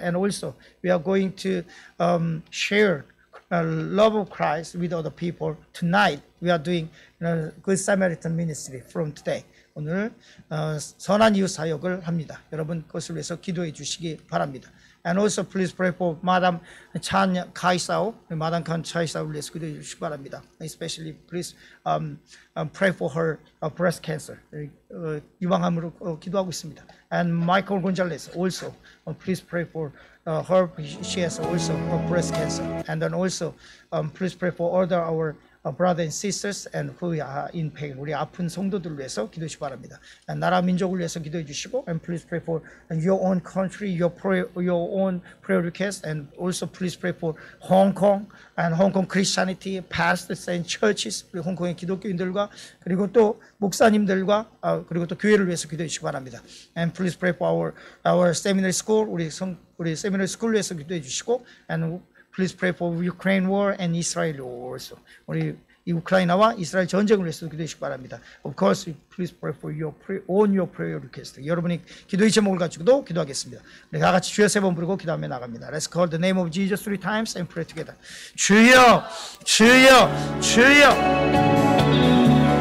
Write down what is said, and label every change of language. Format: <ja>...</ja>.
<en>And also we are going to share love of Christ with other people tonight. We are doing Good Samaritan ministry from today.</en> <ko>오늘 선한 이웃 사역을 합니다. 여러분 그것을 위해서 기도해 주시기 바랍니다.</ko> <en>And also please pray for Madam Chan Kaisao. Madam Chan Kaisao, please</en> <ko>기도해 주시기 바랍니다.</ko> <en>Especially please pray for her breast cancer.</en> <ko>유방암으로 기도하고 있습니다.</ko> <en>And Michael Gonzalez also please pray for her. She has also breast cancer. And then also please pray for all of our brothers and sisters and who are in pain.</en> <ko>우리 아픈 성도들 위해서 기도해 주시기 바랍니다. 나라 민족을 위해서 기도해 주시고</ko> <en>and please pray for your own country, your own prayer request and also please pray for Hong Kong and Hong Kong Christianity, pastors and churches,</en> <ko>우리 홍콩의 기독교인들과 그리고 또 목사님들과 그리고 또 교회를 위해서 기도해 주시기 바랍니다.</ko> <en>And please pray for our seminary school,</en> <ko>우리 seminary school 위해서 기도해 주시고</ko> <en>and Please pray for Ukraine war and Israel war also.</en> <ko>우리 이 우크라이나와 이스라엘 전쟁을 위해서 기도해 주시기 바랍니다.</ko> <en>Of course, please pray for your prayer request.</en> <ko>여러분이 기도의 제목을 가지고도 기도하겠습니다. 우리 다 같이 주여 세 번 부르고 기도하며 나갑니다.</ko> <en>Let's call the name of Jesus three times and pray together.</en> <ko>주여! 주여! 주여!</ko>